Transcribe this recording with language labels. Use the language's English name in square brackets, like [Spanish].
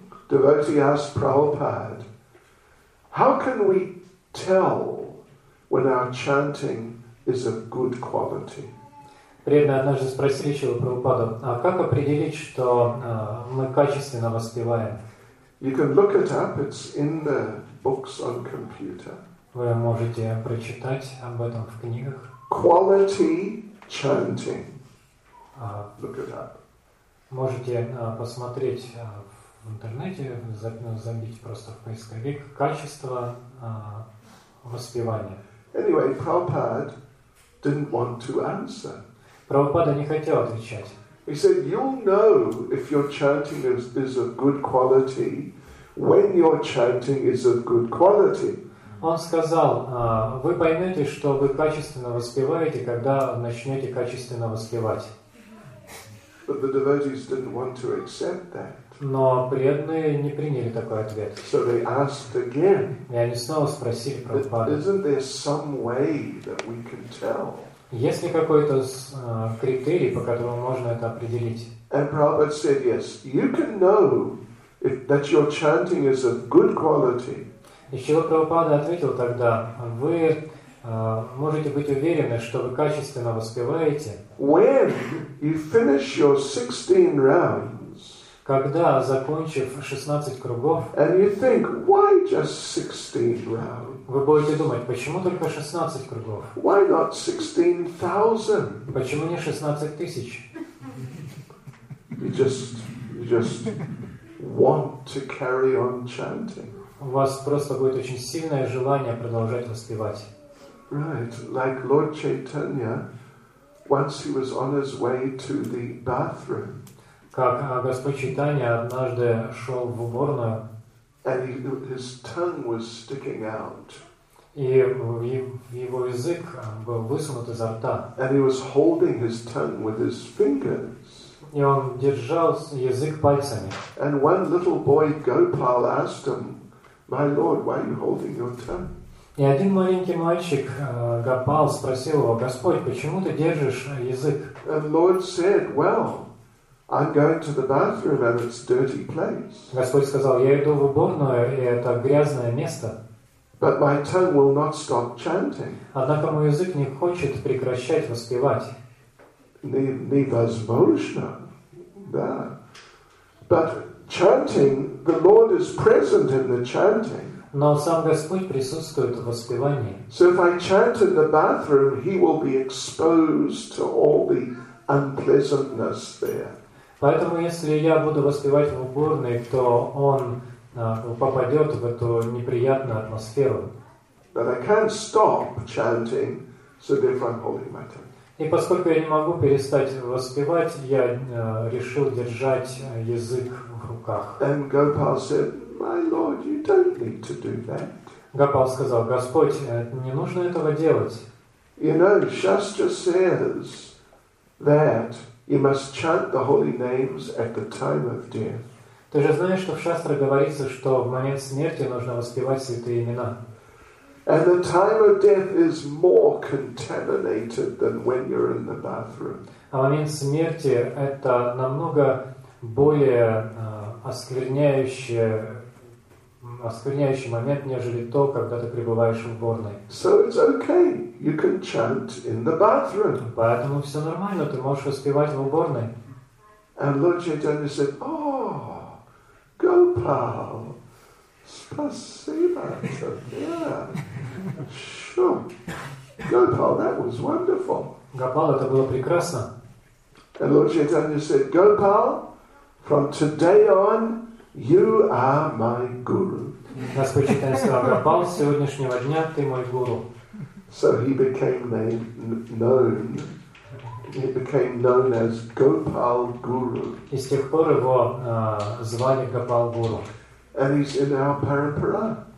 [English] Devotee asked Prabhupada, how can we tell when our chanting is of good quality? [Russian] Преданные однажды спросили Шрилу Прабхупаду, а как определить, что мы качественно воспеваем? [English] You can look it up, it's in the books on computer. [Russian] Вы можете прочитать об этом в книгах. [English] Quality chanting. Look it up. [Russian] Можете посмотреть в интернете, забить просто в поисковик, качество воспевания. [English] Anyway, Prabhupada didn't want to answer. [Russian] Прабхупада не хотел отвечать. [English] He said, "You'll know if your chanting is of good quality when your chanting is of good quality." [Russian] Он сказал, вы поймете, что вы качественно воспеваете, когда начнете качественно воспевать. [English] But the devotees didn't want to accept that. [Russian] Но преданные не приняли такой ответ. [English] So they asked again. [Russian] И они снова спросили Прабхупаду. [English] Isn't there some way that we can tell? [Russian] Есть ли какой-то критерий, по которому можно это определить? [English] And Prabhupada said, yes, you can know if, that your chanting is of good quality. [Russian] И Шрила Прабхупада ответил тогда, вы можете быть уверены, что вы качественно воспеваете. [English] When you finish your 16 rounds, [Russian] когда, закончив 16 кругов, [English] and you think, why just 16 rounds? [Russian] Вы будете думать, почему только 16 кругов? [English] Why not 16,000? [Russian] Почему не 16 тысяч? [English] You just want to carry on chanting. [Russian] У вас просто будет очень сильное желание продолжать воспевать. [English] Right, like Lord Chaitanya, once he was on his way to the bathroom. [Russian] Как Господь Чайтанья однажды шел в уборную. [English] And his tongue was sticking out. [Russian] И его язык был высунут изо рта. [English] And he was holding his tongue with his fingers. [Russian] И он держал язык пальцами. [English] And one little boy Gopal asked him, "My lord, why are you holding your tongue?" [Russian] И один маленький мальчик Гопал спросил его, Господь, почему ты держишь язык? [English] And Lord said, "Well, I'm going to the bathroom and it's a dirty place." [Russian] Господь сказал, я иду в уборную, и это грязное место. [English] But my tongue will not stop chanting. [Russian] Однако мой язык не хочет прекращать воспевать. Невозможно. Да. [English] But chanting, the Lord is present in the chanting. [Russian] Но сам Господь присутствует в воспевании. [English] So if I chant in the bathroom, he will be exposed to all the unpleasantness there. [Russian] Поэтому, если я буду воспевать в уборной, то он попадет в эту неприятную атмосферу. [English] But I can't stop chanting, so therefore I'm holding my tongue. [Russian] И поскольку я не могу перестать воспевать, я решил держать язык в руках. [English] And Gopal said, "My Lord, you don't need to do that." [Russian] Гопал сказал, Господь, не нужно этого делать. [English] You know, Shastra says that you must chant the holy names at the time of death. [Russian] Ты же знаешь, что в шастрах говорится, что в момент смерти нужно воспевать святые имена. [English] And the time of death is more contaminated than when you're in the bathroom. [Russian] А момент смерти это намного более оскверняющий момент, нежели то, когда ты пребываешь в уборной. [English] So it's okay. You can chant in the bathroom. [Russian] Поэтому все нормально, ты можешь воспевать в уборной. [English] And Lord Chaitanya said, "Oh, Gopal, spasibo, yeah, sure, Gopal, that was wonderful." [Russian] Gopal, это было прекрасно. [English] And Lord Chaitanya said, "Gopal, from today on, you are my guru." [Russian] Господь Чайтанья сказал, Гопал, с сегодняшнего дня ты мой гуру. [English] So he became known. He became known as Gopal Guru. [Russian] И с тех пор его звали Гопал Гуру. [English] And he's in our parampara.